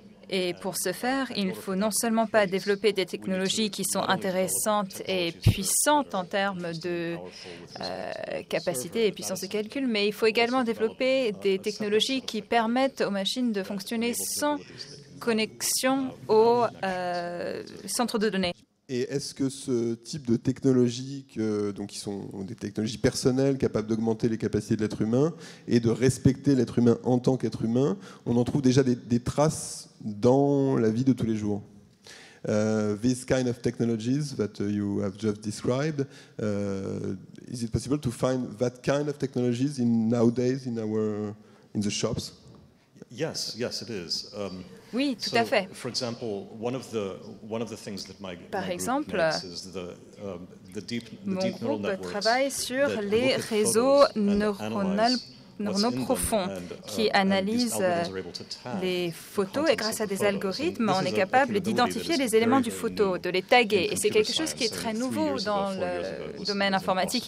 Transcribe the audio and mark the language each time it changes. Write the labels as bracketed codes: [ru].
[fr] Et pour ce faire, il ne faut non seulement pas développer des technologies qui sont intéressantes et puissantes en termes de capacité et puissance de calcul, mais il faut également développer des technologies qui permettent aux machines de fonctionner sans connexion au centre de données. Et est-ce que ce type de technologies, qui sont des technologies personnelles capables d'augmenter les capacités de l'être humain et de respecter l'être humain en tant qu'être humain, on en trouve déjà des traces dans la vie de tous les jours? [en] These kind of technologies that you have just described, is it possible to find that kind of technologies in nowadays in our in the shops? Yes, yes, it is. [fr] Oui, tout à fait. [en] For example, one of the things that my group makes is the deep neural networks. [fr] Mon groupe travaille sur les réseaux neuronaux profonds qui analysent les photos, et grâce à des algorithmes, on est capable d'identifier les éléments du photo, de les taguer. Et c'est quelque chose qui est très nouveau dans le domaine informatique.